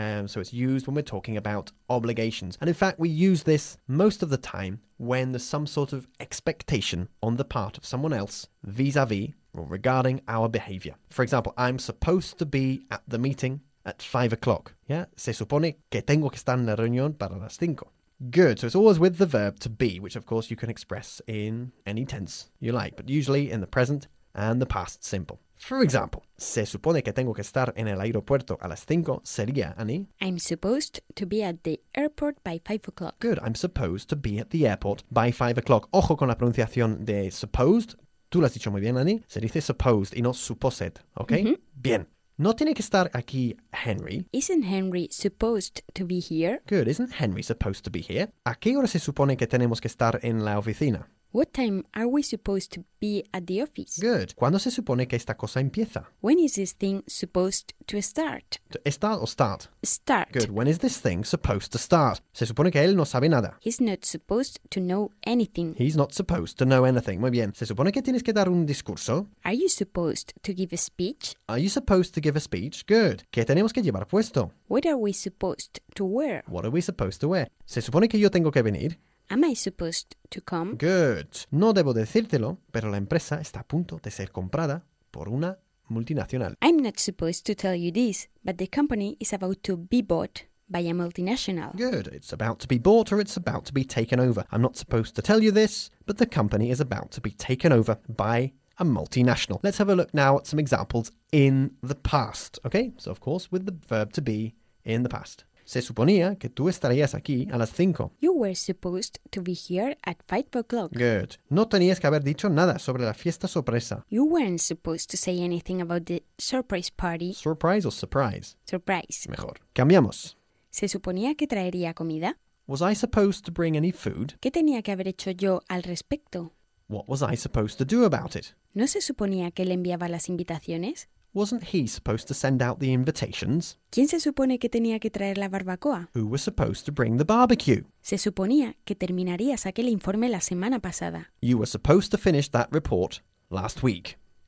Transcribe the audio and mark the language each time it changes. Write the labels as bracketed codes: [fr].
[en] So it's used when we're talking about obligations. And in fact, we use this most of the time when there's some sort of expectation on the part of someone else vis-a-vis or regarding our behavior. For example, I'm supposed to be at the meeting at 5 o'clock. Yeah? [es] Se supone que tengo que estar en la reunión para las cinco. [en] Good. So it's always with the verb to be, which of course you can express in any tense you like, but usually in the present and the past simple. For example, [es] se supone que tengo que estar en el aeropuerto a las cinco sería, Annie? [en] I'm supposed to be at the airport by 5 o'clock. Good. I'm supposed to be at the airport by 5 o'clock. [es] Ojo con la pronunciación de supposed. Tú lo has dicho muy bien, Annie. Se dice supposed y no supposed. [en] Okay? Mm-hmm. [es] Bien. No tiene que estar aquí Henry. [en] Isn't Henry supposed to be here? Good. Isn't Henry supposed to be here? [es] ¿A qué hora se supone que tenemos que estar en la oficina? [en] What time are we supposed to be at the office? [es] Good. ¿Cuándo se supone que esta cosa empieza? [en] When is this thing supposed to start? To start or start? Start. Good. When is this thing supposed to start? [es] Se supone que él no sabe nada. [en] He's not supposed to know anything. He's not supposed to know anything. [es] Muy bien. Se supone que tienes que dar un discurso. [en] Are you supposed to give a speech? Are you supposed to give a speech? Good. [es] ¿Qué tenemos que llevar puesto? [en] What are we supposed to wear? What are we supposed to wear? [es] Se supone que yo tengo que venir. [en] Am I supposed to come? Good. [es] No debo decírtelo, pero la empresa está a punto de ser comprada por una multinacional. [en] I'm not supposed to tell you this, but the company is about to be bought by a multinational. Good. It's about to be bought or it's about to be taken over. I'm not supposed to tell you this, but the company is about to be taken over by a multinational. Let's have a look now at some examples in the past. Okay? So, of course, with the verb to be in the past. [es] Se suponía que tú estarías aquí a las cinco. [en] You were supposed to be here at 5 o'clock. Good. [es] No tenías que haber dicho nada sobre la fiesta sorpresa. [en] You weren't supposed to say anything about the surprise party. Surprise or surprise? Surprise. [es] Mejor. Cambiamos. Se suponía que traería comida. [en] Was I supposed to bring any food? [es] ¿Qué tenía que haber hecho yo al respecto? [en] What was I supposed to do about it? [es] ¿No se suponía que le enviaba las invitaciones? [en] Wasn't he supposed to send out the invitations? [es] ¿Quién se supone que tenía que traer la barbacoa? [en] Who was supposed to bring the barbecue? [es] Se suponía que terminarías aquel informe la semana pasada. [en] You were supposed to finish that report last week.